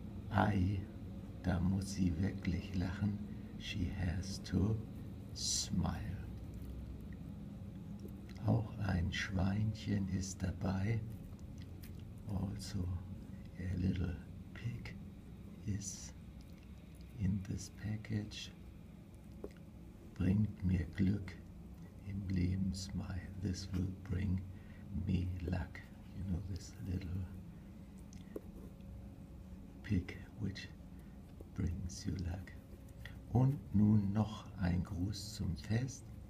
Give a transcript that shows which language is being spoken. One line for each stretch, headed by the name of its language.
German: Ei, da muss sie wirklich lachen.
English: She has to smile.
German: Auch ein Schweinchen ist dabei.
English: Also, a little pig is in this package.
German: Bringt mir Glück im Leben, smile.
English: This will bring me luck. You know, this little pig, which brings you luck.
German: Und nun noch ein Gruß zum Fest.